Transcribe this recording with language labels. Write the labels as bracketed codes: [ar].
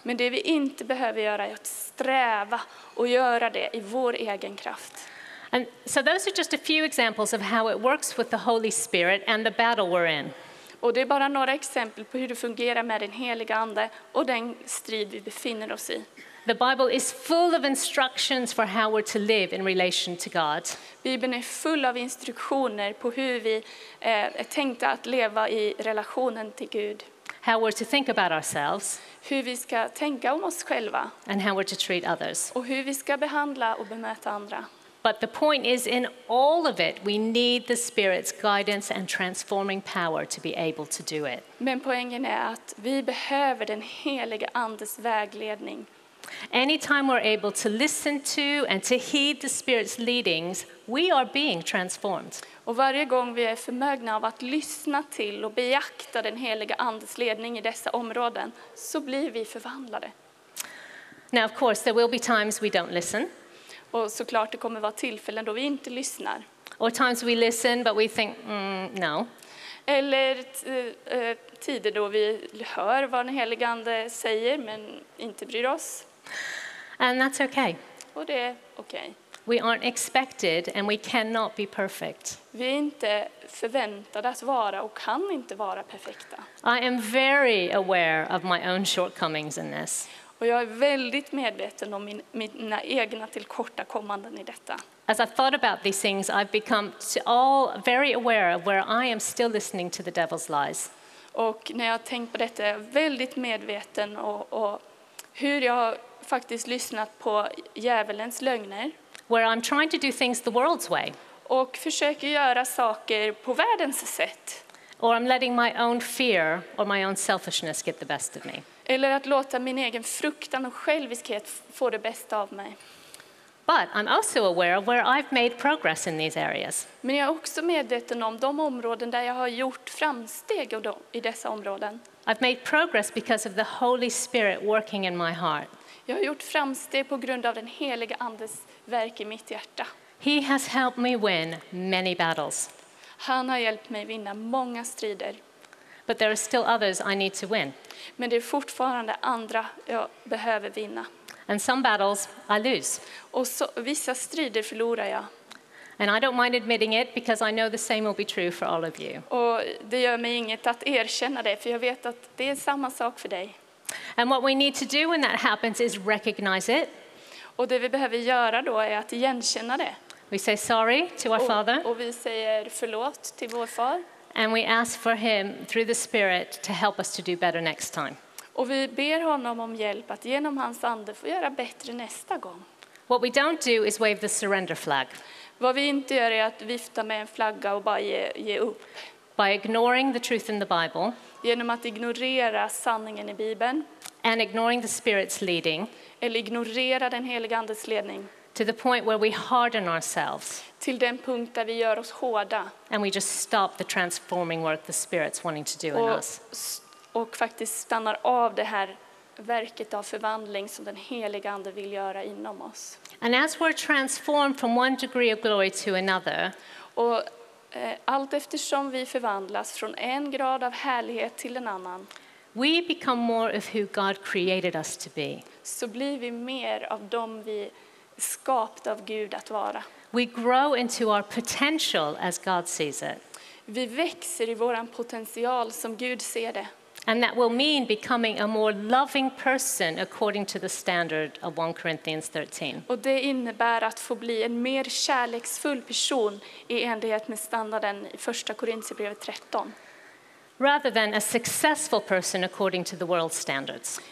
[sv] Men det vi inte behöver göra är att sträva och göra det i vår egen kraft. [en] And so those are just a few examples of how it works with the Holy Spirit and the battle we're in. [sv] Och det är bara några exempel på hur det fungerar med den heliga ande och den strid vi befinner oss i. [en] The Bible is full of instructions for how we're to live in relation to God. [sv] Bibeln är full av instruktioner på hur vi är tänkta att leva i relationen till Gud. [en] How we're to think about ourselves. [sv] Hur vi ska tänka om oss själva. [en] And how we're to treat others. [sv] Och hur vi ska behandla och bemöta andra. [en] But the point is, in all of it, we need the Spirit's guidance and transforming power to be able to do it. [sv] Men poängen är att vi behöver den heliga andes vägledning. [en] Anytime we're able to listen to and to heed the Spirit's leadings, we are being transformed. [sv] Och varje gång vi är förmögna av att lyssna till och beakta den heliga andes ledning i dessa områden, så blir vi förvandlade. [en] Now, of course, there will be times we don't listen. [sv] Och såklart det kommer vara tillfällen då vi inte lyssnar. [en] Or times we listen but we think, no. [sv] Eller tider då vi hör vad den helige ande säger men inte bryr oss. [en] And that's okay. [sv] Och det är okej. [en] We aren't expected and we cannot be perfect. [sv] Vi är inte förväntade att vara och kan inte vara perfekta. [en] I am very aware of my own shortcomings in this. [sv] Och jag är väldigt medveten om mina egna tillkortakommanden i detta. [en] As I thought about these things, I've become all very aware of where I am still listening to the devil's lies. [sv] Och när jag tänkt på detta, är väldigt medveten och hur jag faktiskt lyssnat på djävulens lögner. [en] Where I'm trying to do things the world's way. [sv] Och försöker göra saker på världens sätt. [en] Or I'm letting my own fear or my own selfishness get the best of me. [sv] Eller att låta min egen fruktan och själviskhet få det bästa av mig. [en] But I'm also aware of where I've made progress in these areas. [sv] Men jag är också medveten om de områden där jag har gjort framsteg i dessa områden. [en] I've made progress because of the Holy Spirit working in my heart. [sv] Jag har gjort framsteg på grund av den heliga andes verk i mitt hjärta. [en] He has helped me win many battles. [sv] Han har hjälpt mig vinna många strider. [en] But there are still others I need to win. [sv] Men det är fortfarande andra jag behöver vinna. [en] And some battles I lose. [sv] Och så, vissa strider förlorar jag. [en] And I don't mind admitting it because I know the same will be true for all of you. [sv] Och det gör mig inget att erkänna det för jag vet att det är samma sak för dig. [en] And what we need to do when that happens is recognize it. [sv] Och det vi behöver göra då är att igenkänna det. [en] We say sorry to our father. [sv] Och vi säger förlåt till vår far. [en] And we ask for him through the Spirit to help us to do better next time. [sv] Och vi ber honom om hjälp att genom hans ande få göra bättre nästa gång. [en] What we don't do is wave the surrender flag. [sv] Vad vi inte gör är att vifta med en flagga och bara ge upp. [en] by ignoring the truth in the Bible. [sv] Genom att ignorera sanningen I Bibeln. [en] And ignoring the Spirit's leading. [sv] Eller ignorera den helige andes ledning. [en] To the point where we harden ourselves. [sv] Till den punkt där vi gör oss hårda. [en] And we just stop the transforming work the Spirit's wanting to do in us. [sv] Och faktiskt stannar av det här verket av förvandling som den helige ande vill göra inom oss. [en] And as we're transformed from one degree of glory to another. [sv] Och allt eftersom vi förvandlas från en grad av härlighet till en annan. [en] We become more of who God created us to be. [sv] Så blir vi mer av dem vi skapat av Gud att vara. [en] We grow into our potential as God sees it. [sv] Vi växer I våran potential som Gud ser det. [en] And that will mean becoming a more loving person according to the standard of 1 Corinthians 13. [sv] Och det innebär att få bli en mer kärleksfull person I enlighet med standarden I 1 Korinthierbrevet 13. [en] Rather than a successful person according to the world's standards.